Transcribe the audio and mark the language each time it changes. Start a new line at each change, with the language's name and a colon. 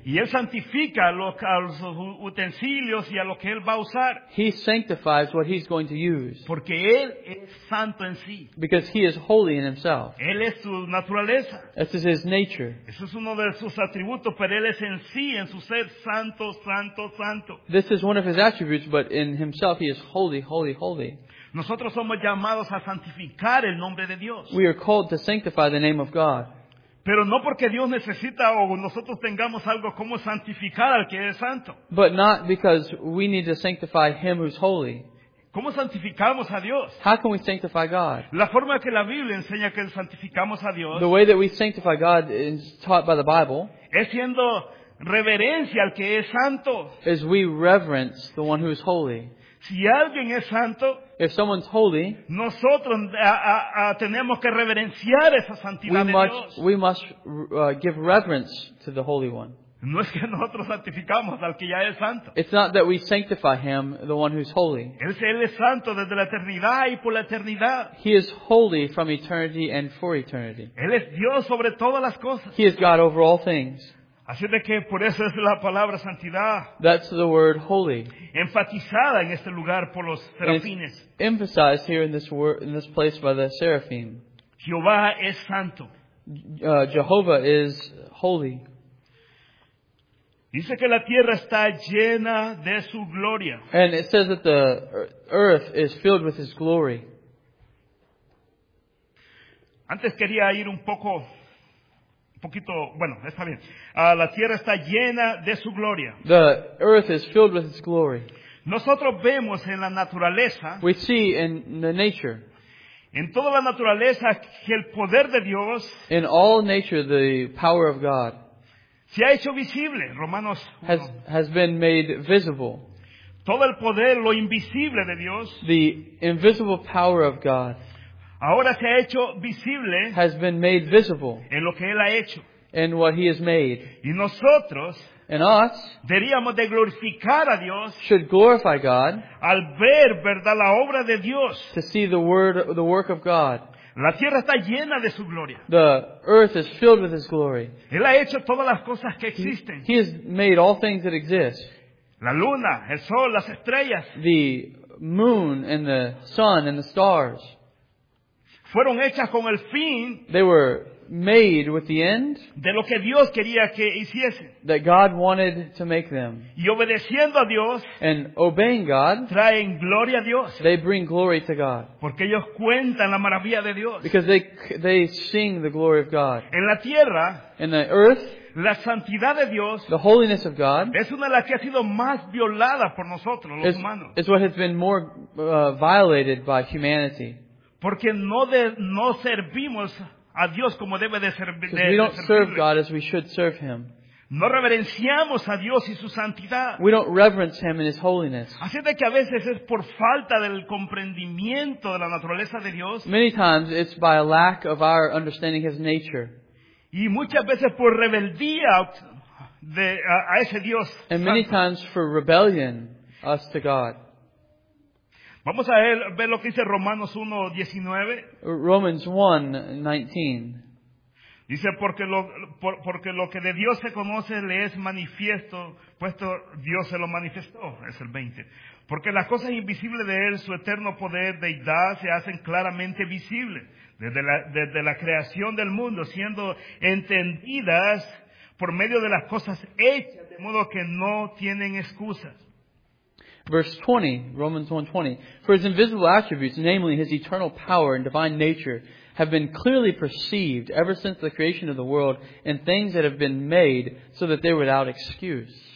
Spanish: Y Él santifica a los utensilios y a lo que Él va a usar.
English: He sanctifies what He's going to use.
Spanish: Porque Él es santo en sí.
English: Because He is holy in Himself.
Spanish: Él es su naturaleza.
English: This is His nature.
Spanish: Eso es uno de sus atributos, pero Él es en sí, en su ser, santo, santo, santo.
English: This is one of His attributes, but in Himself He is holy, holy, holy.
Spanish: Nosotros somos llamados a santificar el nombre de Dios.
English: We are called to sanctify the name of God.
Spanish: Pero no porque Dios necesita o nosotros tengamos algo como santificar al que es santo.
English: But not because we need to sanctify Him who's holy.
Spanish: ¿Cómo santificamos a Dios?
English: How can we sanctify God?
Spanish: La forma que la Biblia enseña que santificamos a Dios.
English: The way that we sanctify God is taught by the Bible.
Spanish: Es siendo reverencia al que es santo.
English: As we reverence the one who is holy.
Spanish: Si alguien es santo,
English: if someone's holy,
Spanish: nosotros tenemos que reverenciar esa santidad de Dios.
English: We must give reverence to the Holy One.
Spanish: No es que nosotros santificamos al que ya es santo.
English: It's not that we sanctify Him, the one who's holy.
Spanish: Él es santo desde la eternidad y por la eternidad.
English: He is holy from eternity and for eternity.
Spanish: Él es Dios sobre todas las cosas.
English: He is God over all things.
Spanish: Así de que por eso es la palabra santidad.
English: That's the word holy.
Spanish: Enfatizada en este lugar por los serafines.
English: Emphasized here in this word, in this place by the seraphim.
Spanish: Jehová es santo.
English: Jehovah is holy.
Spanish: Dice que la tierra está llena de su gloria.
English: And it says that the earth is filled with His glory.
Spanish: Antes quería ir un poco, un poquito, bueno, está bien. La tierra está llena de su gloria.
English: The earth is filled with His glory.
Spanish: Nosotros vemos en la naturaleza.
English: We see in the nature.
Spanish: En toda la naturaleza que el poder de Dios.
English: In all nature, the power of God.
Spanish: Se ha hecho visible, Romanos 1.
English: Has been made visible.
Spanish: Todo el poder, lo invisible de Dios.
English: The invisible power of God.
Spanish: Ahora se ha hecho visible.
English: Has been made visible.
Spanish: En lo que Él ha hecho.
English: In what He has made.
Spanish: Y nosotros.
English: And us.
Spanish: Deberíamos de glorificar a Dios.
English: Should glorify God.
Spanish: Al ver, verdad, la obra de Dios.
English: To see the word, the work of God.
Spanish: La tierra está llena de su gloria.
English: The earth is filled with His glory.
Spanish: Él ha hecho todas las cosas que existen.
English: He has made all things that exist.
Spanish: La luna, el sol, las estrellas.
English: The moon and the sun and the stars.
Spanish: Fueron hechas con el fin.
English: They were made with the end.
Spanish: De lo que Dios quería que hiciesen.
English: That God wanted to make them.
Spanish: Y obedeciendo a Dios.
English: And obeying God.
Spanish: Traen gloria a Dios.
English: They bring glory to God.
Spanish: Porque ellos cuentan la maravilla de Dios.
English: Because they sing the glory of God.
Spanish: En la tierra.
English: In the earth.
Spanish: La santidad de Dios.
English: The holiness of God.
Spanish: Es una de las que ha sido más violada por nosotros, los humanos.
English: Is what has been more violated by humanity.
Spanish: Porque no servimos a Dios como debe de servir.
English: We don't serve God as we should serve Him.
Spanish: No reverenciamos a Dios y su santidad.
English: We don't reverence Him in His holiness.
Spanish: Así de que a veces es por falta del comprendimiento de la naturaleza de Dios.
English: Many times it's by a lack of our understanding His nature.
Spanish: Y muchas veces por rebeldía a ese Dios.
English: And many times for rebellion us to God.
Spanish: Vamos a ver lo que dice Romanos 1:19.
English: Romans 1:19.
Spanish: Dice porque lo que de Dios se conoce le es manifiesto, puesto Dios se lo manifestó. Es el 20. Porque las cosas invisibles de Él, su eterno poder, deidad, se hacen claramente visibles desde la creación del mundo, siendo entendidas por medio de las cosas hechas, de modo que no tienen excusas.
English: Verse 20, Romans 1:20. For His invisible attributes, namely His eternal power and divine nature, have been clearly perceived ever since the creation of the world in things that have been made, so that they were without excuse.